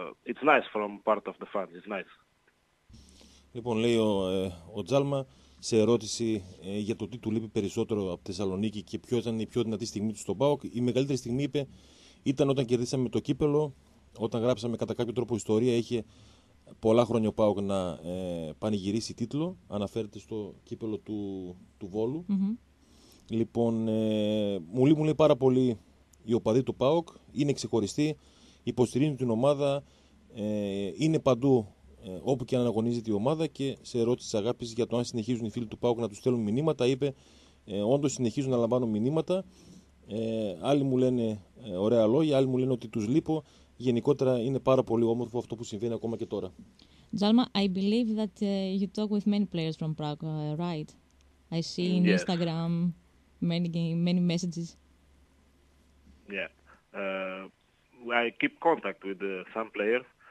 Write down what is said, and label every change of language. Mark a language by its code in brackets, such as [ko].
[en] It's nice from part of the fans, it's nice. [el] Λοιπόν, λέει ο Τζάλμα σε ερώτηση για το τι του λείπει περισσότερο από τη Θεσσαλονίκη και ποιο ήταν η πιο δυνατή στιγμή του στον ΠΑΟΚ. Η μεγαλύτερη στιγμή, είπε, ήταν όταν κερδίσαμε το κύπελο, όταν γράψαμε κατά κάποιο τρόπο ιστορία. Είχε πολλά χρόνια ο ΠΑΟΚ να πανηγυρίσει τίτλο, αναφέρεται στο κύπελο του Βόλου. Mm-hmm. Λοιπόν, μου λέει πάρα πολύ οι οπαδοί του ΠΑΟΚ, είναι ξεχωριστοί, υποστηρίζουν την ομάδα, είναι παντού όπου και αν αγωνίζεται η ομάδα, και σε ερώτηση αγάπης για το αν συνεχίζουν οι φίλοι του ΠΑΟΚ να τους στέλνουν μηνύματα, είπε όντως συνεχίζουν να λαμβάνω μηνύματα. Άλλοι μου λένε ωραία λόγια, άλλοι μου λένε ότι τους λείπω. Γενικότερα είναι πάρα πολύ όμορφο αυτό που συμβαίνει ακόμα και τώρα. [en] Τζάλμα, I believe that you talk with many players from ΠΑΟΚ, right? I see in Instagram. Yes. Many messages. Yeah. I keep contact with some players.